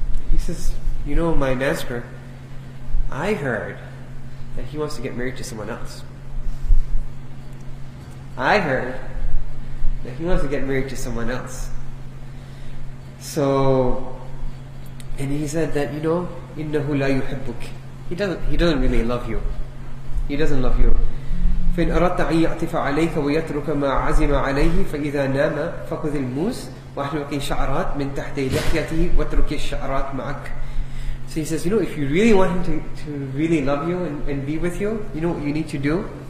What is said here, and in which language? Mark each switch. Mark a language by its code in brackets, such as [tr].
[en] He says, you know, my master, I heard that he wants to get married to someone else. I heard that he wants to get married to someone else. So, and he said that, you know, [ar] إِنَّهُ لَا يُحِبُّكِ. [en] He doesn't really love you. He doesn't love you. [ar] فإن أردت أن يعطف عليك ويترك ما عزم عليه فإذا نام فخذ الموس واحلق شعرات من تحت لحيته واترك الشعرات معك. [en] So he says, you know, if you really want him to really love you and be with you, you know what you need to do?